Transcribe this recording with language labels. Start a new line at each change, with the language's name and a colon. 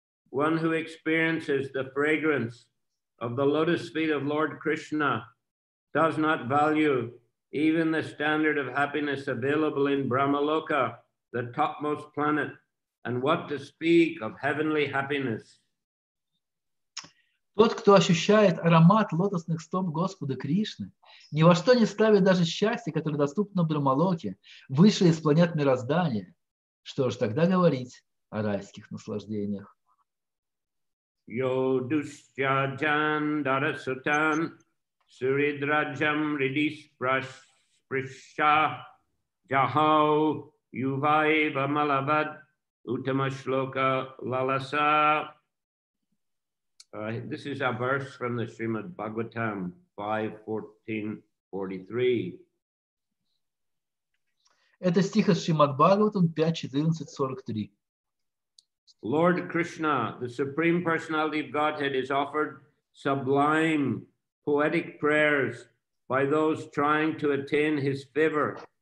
English: One who experiences the fragrance of the lotus feet of Lord Krishna does not value even the standard of happiness available in Brahmaloka, the topmost planet, and what to speak of heavenly happiness.
Russian: Тот, кто ощущает аромат лотосных стоп Господа Кришны, ни во что не ставит даже счастье, которое доступно в Брамалоке, выше из планет мироздания. Что ж тогда говорить о райских наслаждениях?
Sanskrit: Йо дусья джан дарасутан суридраджам ридис прасприша джахау ювай вамалавад утамашлока лаласа.
English: This is a verse from the Srimad Bhagavatam 5.14.43.
Russian: Это стих из Шримад-Бхагаватам 5.14.43.
English: Lord Krishna, the Supreme Personality of Godhead, is offered sublime poetic prayers by those trying to attain his favor.